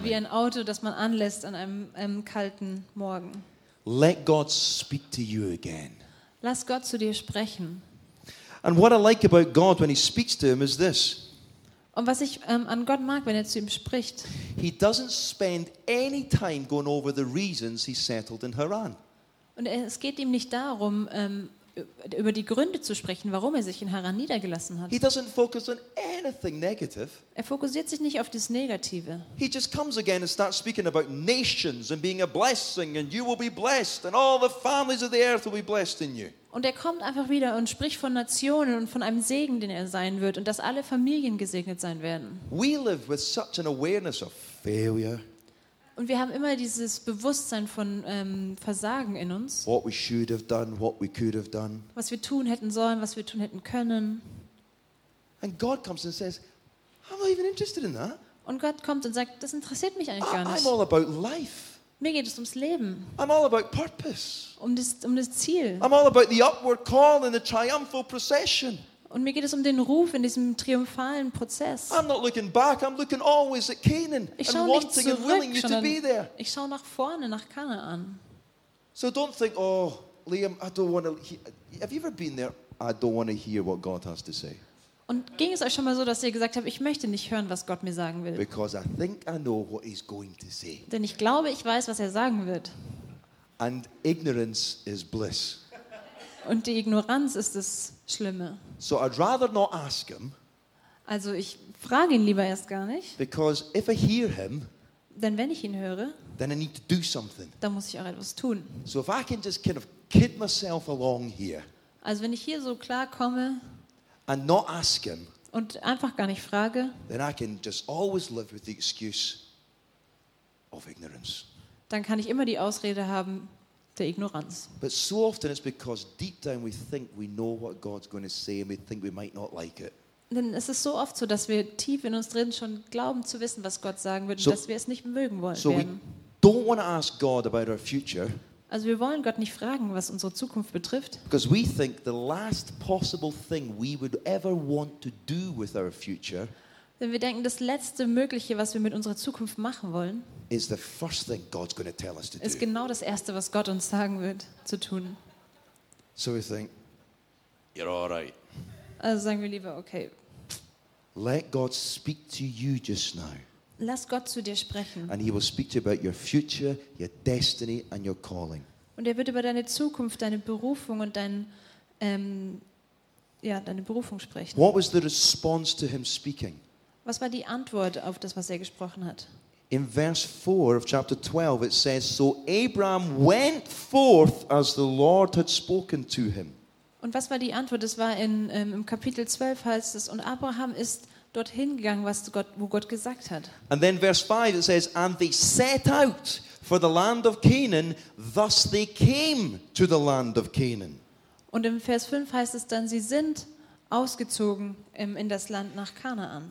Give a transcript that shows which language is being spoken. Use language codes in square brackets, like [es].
[de] Ah, wie ein Auto, das man anlässt an einem kalten Morgen. [en] Let God speak to you again. [de] Lass Gott zu dir sprechen. [en] And what I like about God when he speaks to him is this. [de] Und was ich an Gott mag, wenn er zu ihm spricht. [en] He doesn't spend any time going over the reasons he settled in Haran. [de] Und es geht ihm nicht darum, über die Gründe zu sprechen, warum er sich in Haran niedergelassen hat. [en] He doesn't focus on anything negative. [de] Er fokussiert sich nicht auf das Negative. [en] He just comes again and starts speaking about nations and being a blessing and you will be blessed and all the families of the earth will be blessed in you. [de] Und er kommt einfach wieder und spricht von Nationen und von einem Segen, den er sein wird und dass alle Familien gesegnet sein werden. [en] We live with such an awareness of failure. [de] Und wir haben immer dieses Bewusstsein von Versagen in uns. [en] What we should have done, what we could have done. [de] Was wir tun hätten sollen, was wir tun hätten können. [en] And God comes and says, I'm not even interested in that. [de] Und Gott kommt und sagt, das interessiert mich eigentlich gar nicht. [en] I'm all about life. [de] Mir geht es ums Leben. [en] I'm all about purpose. [de] Um das Ziel. [en] I'm all about the upward call and the triumphal procession. [de] Und mir geht es um den Ruf in diesem triumphalen Prozess. [en] I'm not looking back, I'm looking always at Canaan and wanting and willing you to be there. [de] Ich schaue nach vorne, nach Kanaan. [en] So don't think, oh, Liam, I don't want to. Have you ever been there? I don't want to hear what God has to say. [de] Und ging es euch schon mal so, dass ihr gesagt habt, ich möchte nicht hören, was Gott mir sagen will? [en] Because I think I know what he's going to say. [de] Denn ich glaube, ich weiß, was er sagen wird. [en] And ignorance is bliss. [de] Und die Ignoranz ist das Schlimme. [en] So I'd rather not ask him. [de] Also ich frage ihn lieber erst gar nicht. [en] Because if I hear him, [de] denn wenn ich ihn höre, [en] then I need to do something. [de] Dann muss ich auch etwas tun. [en] So if I can just kind of kid myself along here. [de] Also wenn ich hier so klar komme [en] and not ask him, [de] und einfach gar nicht frage, [en] then I can just always live with the excuse of ignorance. [de] Dann kann ich immer die Ausrede haben der Ignoranz. [en] But so often it's because deep down we think we know what God's going to say and we think we might not like it. [de] Denn es ist so oft so, dass wir tief in uns drin schon glauben zu wissen, was Gott sagen wird, so, und dass wir es nicht mögen wollen. [en] So We don't want to ask God about our future. [de] Also wir wollen Gott nicht fragen, was unsere Zukunft betrifft. [en] Because we think the last possible thing we would ever want to do with our future. [de] Denn wir denken, das letzte Mögliche, was wir mit unserer Zukunft machen wollen, [en] is the first thing God's going to tell us to do. [de] Ist genau das erste, was Gott uns sagen wird zu tun. [en] So we think, you're all right. [de] Also sagen wir lieber, okay. [en] Let God speak to you just now. [de] Lass Gott zu dir sprechen. [en] And he will speak to you about your future, your destiny and your calling. [de] Und wird über deine Zukunft, deine Berufung und dein deine Berufung sprechen. [en] What was the response to him speaking? [de] Was war die Antwort auf das, was gesprochen hat? [en] In verse 4 of chapter 12 it says, so Abraham went forth as the Lord had spoken to him. [de] Und was war die Antwort? Es war in im Kapitel 12 heißt es, und Abraham ist dorthin gegangen, was Gott, wo Gott gesagt hat. [en] And then verse 5 it says, and they set out for the land of Canaan, thus they came to the land of Canaan. [de] Und im Vers 5 heißt es dann, sie sind ausgezogen in das Land nach Kanaan.